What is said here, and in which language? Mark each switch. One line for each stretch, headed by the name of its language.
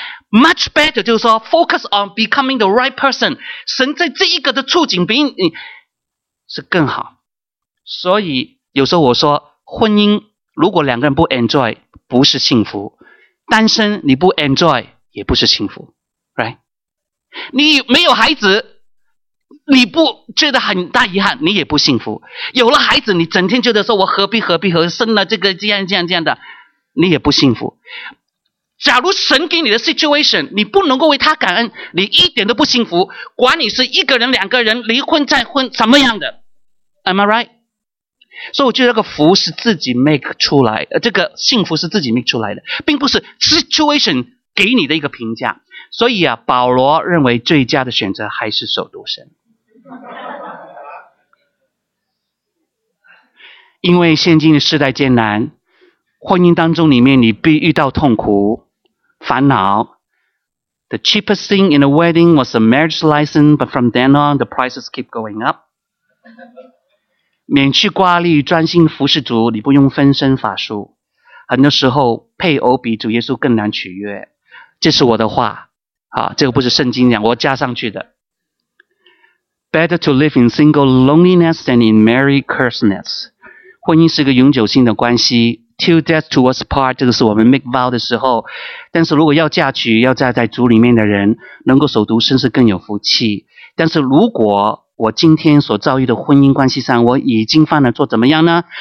English: Much better
Chinese: 就是说
English: focus on becoming the right person.
Chinese: 神在这一个的处境比你是更好。所以有时候我说婚姻如果两个人不 enjoy 不是幸福，单身你不 enjoy 也不是幸福， right？你没有孩子你不觉得很大遗憾你也不幸福，有了孩子你整天觉得说我何必何必何生了这个这样这样这样的，你也不幸福。假如神给你的 situation 你不能够为他感恩，你一点都不幸福，管你是一个人两个人离婚再婚什么样的。
English: Am I right？
Chinese: 所以我觉得这个福是自己 make 出来，这个幸福是自己 make 出来的，并不是 situation 给你的一个评价。所以啊，保罗认为最佳的选择还是首读生。因为现今的世代艰难，婚姻当中里面你必遇到痛苦烦恼。
English: The cheapest thing in a wedding was a marriage license, but from then on, the prices keep going up.
Chinese: 免去挂虑，专心服侍主，你不用分身乏术。很多时候，配偶比主耶稣更难取悦。这是我的话，啊，这个不是圣经讲，我加上去的。
English: Better to live in single loneliness than in married cursedness.
Chinese: 婚姻是个永久性的关系。
English: Till death to us part,
Chinese: 这个是我们 make vow 的时候，但是如果要嫁娶，要嫁在族里面的人，能够守独身是更有福气。但是如果我今天所遭遇的婚姻关系上，我已经犯了错，怎么样呢？